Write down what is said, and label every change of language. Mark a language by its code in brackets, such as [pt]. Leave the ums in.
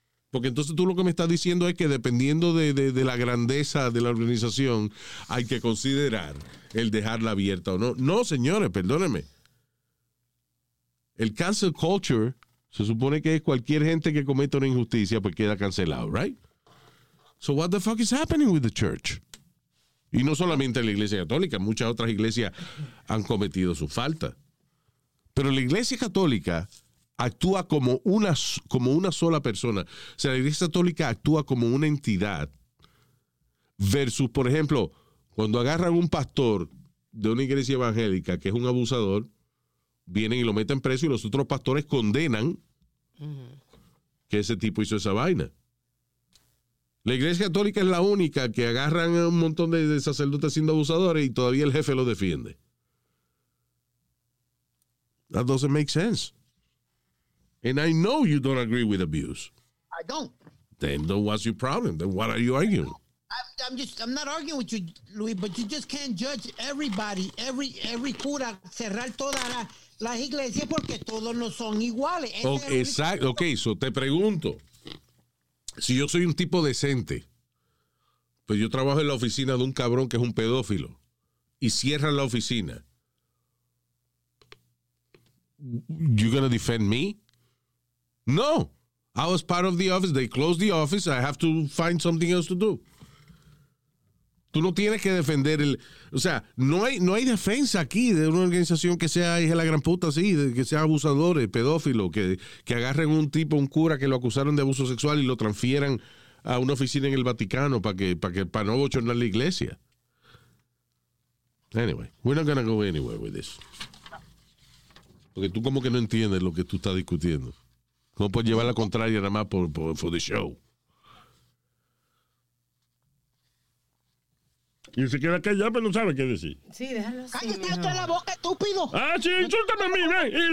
[es] Porque entonces tú lo que me estás diciendo es que dependiendo de, de, de, la grandeza de la organización, hay que considerar el dejarla abierta o no. No, señores, perdónenme. El cancel culture se supone que es cualquier gente que cometa una injusticia pues queda cancelado, [en] right? So what the fuck is happening with the church? [es] Y no solamente en la iglesia católica, muchas otras iglesias han cometido su falta. Pero la iglesia católica actúa como una, como una, sola persona. O sea, la Iglesia Católica actúa como una entidad. Versus, por ejemplo, cuando agarran un pastor de una iglesia evangélica que es un abusador, vienen y lo meten preso y los otros pastores condenan que ese tipo hizo esa vaina. La Iglesia Católica es la única que agarran a un montón de sacerdotes siendo abusadores y todavía el jefe lo defiende. [en] That doesn't make sense. And I know you don't agree with abuse. I don't. Then, then what's your problem? Then what are you arguing? I, I'm, I'm just I'm not arguing with you, Luis, but you just can't judge everybody, every every [es] cura, cerrar todas las iglesias iglesia porque todos no son iguales. exacto. [en] Okay, ok, so [es] te pregunto. Si yo soy un tipo decente, pues yo trabajo en la oficina de un cabrón que es un pedófilo y cierran la oficina. [en] You gonna defend me? No. I was part of the office. They closed the office. I have to find something else to do. [es] Tú no tienes que defender el. O sea, no hay, no hay defensa aquí de una organización que sea hija de la gran puta, sí, de, que sea abusadores, pedófilo, que, que agarren un tipo, un cura que lo acusaron de abuso sexual y lo transfieran a una oficina en el Vaticano para que, para que, para no bochornar la iglesia. [en] Anyway, we're not going to go anywhere with this. [es] Porque tú como que no entiendes lo que tú estás discutiendo. No puedes llevar la contraria nada más por, el [en] the show. [es] Y se queda callado, pero no sabe qué decir. Sí, déjalo así. Cállate de la boca, estúpido. Ah, sí, insúltame a mí, me... ven.